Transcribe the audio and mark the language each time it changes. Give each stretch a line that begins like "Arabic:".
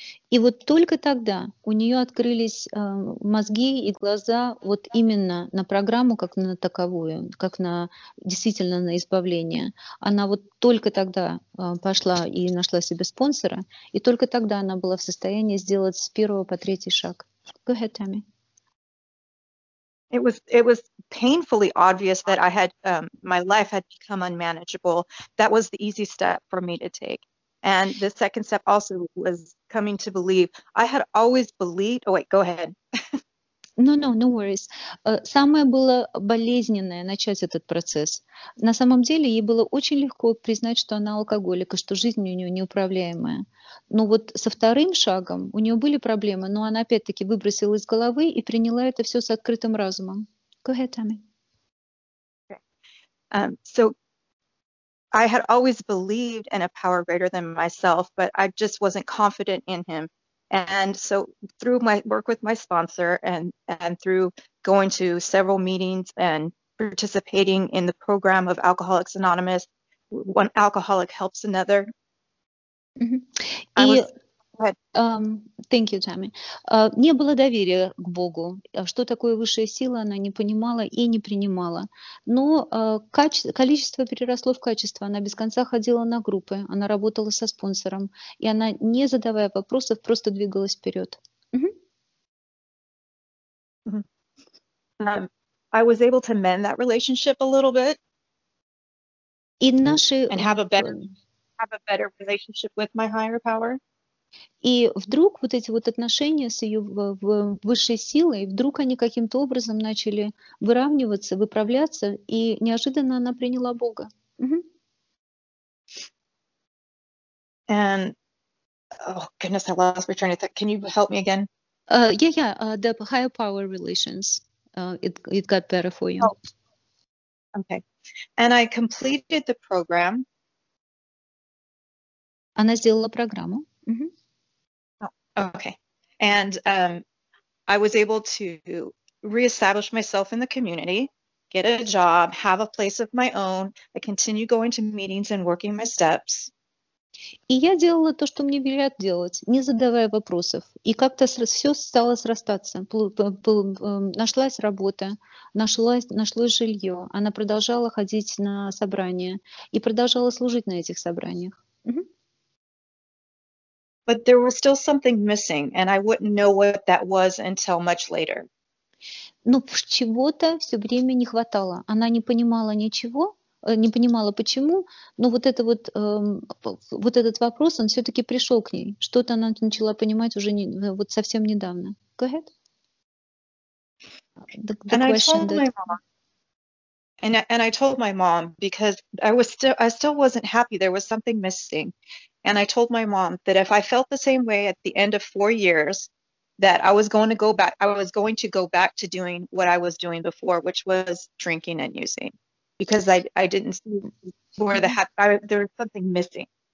Russian: И вот только тогда у нее открылись мозги и глаза вот именно на программу, как на таковую, как на действительно на избавление. Она вот только тогда пошла и нашла себе спонсора, и только тогда она была в состоянии сделать с первого по третий шаг.
English: Go ahead, Tammy. It was painfully obvious that I had my life had become unmanageable. That was the easy step for me to take. And the second step also was coming to believe. I had always believed. Oh, wait, go ahead. No worries.
Russian: Самое было болезненное начать этот процесс. На самом деле ей было очень легко признать, что она алкоголик, и что жизнь у нее неуправляемая. Но вот со вторым шагом у нее были проблемы, но она опять-таки выбросила из головы и приняла это все с открытым разумом.
English: Go ahead, Tammy. Okay. So I had always believed in a power greater than myself, but I just wasn't confident in him. And so through my work with my sponsor and through going to several meetings and participating in the program of Alcoholics Anonymous, one alcoholic helps another. Mm-hmm. Thank you, Tammy.
Russian: Не было доверия к Богу. Что такое высшая сила, она не понимала и не принимала. Но количество переросло в качество. Она без конца ходила на группы, она работала со спонсором. И она, не задавая вопросов, просто двигалась вперед. Mm-hmm.
English: I was able to mend that relationship a little bit.
Russian: И наши...
English: And have a better relationship with my higher power.
Russian: И вдруг вот эти вот отношения с ее высшей силой, вдруг они каким-то образом начали выравниваться, выправляться, и неожиданно она приняла Бога. Mm-hmm.
English: And, oh, goodness, I lost my train of thought. Can you help me again? The higher power relations, it got better for you. Oh. Okay. And I completed the program.
Russian: Она сделала программу. Mm-hmm.
English: Okay. And I was able to reestablish myself in the community, get a job, have a place of my own. I continue going to meetings and working my steps.
Russian: И я делала то, что мне велят делать, не задавая вопросов. И как-то все стало срастаться. Нашлась работа, нашлось жилье. Она продолжала ходить на собрания и продолжала служить на этих собраниях.
English: But there was still something missing, and I wouldn't know what that was until much later.
Russian: Но чего-то все время не хватало. Она не понимала ничего, не понимала почему, но вот это вот, вот этот вопрос, он все-таки пришел к ней. Что-то она начала понимать уже не, вот совсем недавно.
English: Go ahead. And I told my mom, because I still wasn't happy. There was something missing. And I told my mom that if I felt the same way at the end of 4 years, that I was going to go back to doing what I was doing before, which was drinking and using, because I didn't see where the happy, there was something missing.